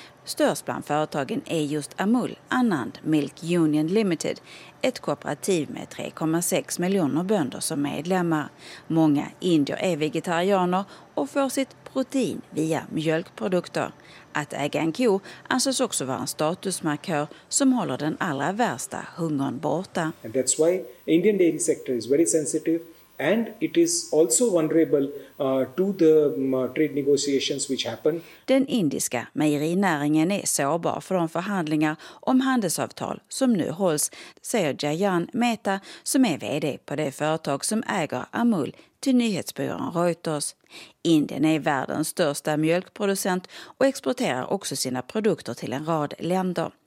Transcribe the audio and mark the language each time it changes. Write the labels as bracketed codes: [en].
[sv] Störst bland företagen är just Amul Anand Milk Union Limited, ett kooperativ med 3,6 miljoner bönder som medlemmar. Många indier är vegetarianer och får sitt protein via mjölkprodukter. Att äga en ko anses också vara en statusmarkör som håller den allra värsta hungern borta. [en] And that's why Indian dairy sector is very sensitive and it is also vulnerable to the trade negotiations which happen. [sv] Den indiska mejerinäringen är sårbar för de förhandlingar om handelsavtal som nu hålls, säger Jayan Mehta som är vd på det företag som äger Amul till nyhetsbyrån Reuters. Indien är världens största mjölkproducent och exporterar också sina produkter till en rad länder.